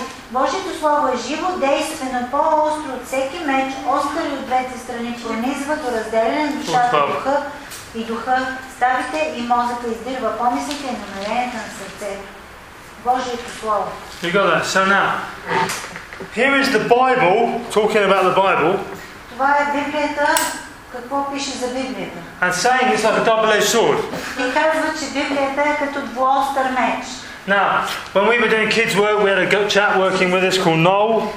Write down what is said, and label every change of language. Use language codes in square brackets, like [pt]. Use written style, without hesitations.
[bg] Божието слово е живо, действено, по-остро от всеки меч, остър и от двете страни, пронизва до разделяне на душата и духа, и духа ставите и мозъка издирва помислите и намеренията на сърцето. Божието слово. [en] You got that. So now, here is the Bible, talking about the Bible. [bg] Това е Библията, какво пише за Библията. [en] And saying it's like a double-edged sword. [bg] И казва, че Библията е като двуостър меч. [en] Now, when we were doing kids' work, we had a good chat working with us called Noel.